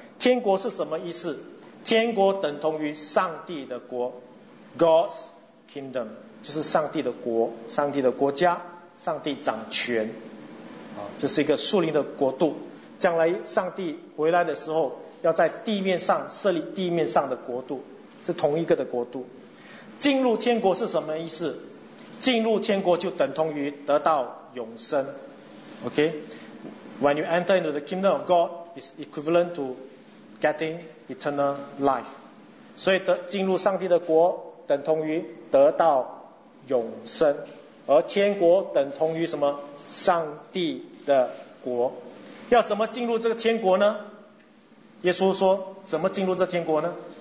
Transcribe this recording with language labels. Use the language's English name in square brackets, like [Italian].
[Chinese] 天国是什么意思？天国等同于上帝的国， [English] God's kingdom， [Chinese] 就是上帝的国，上帝的国家，上帝掌权，这是一个属灵的国度。将来上帝回来的时候，要在地面上设立地面上的国度，是同一个的国度。进入天国是什么意思？进入天国就等同于得到永生。 [English] OK， When you enter into the kingdom of God is equivalent to getting eternal life. [Chinese] 所以进入上帝的国等同于得到永生，而天国等同于什么？上帝的国。要怎么进入这个天国呢？耶稣说，怎么进入这天国呢？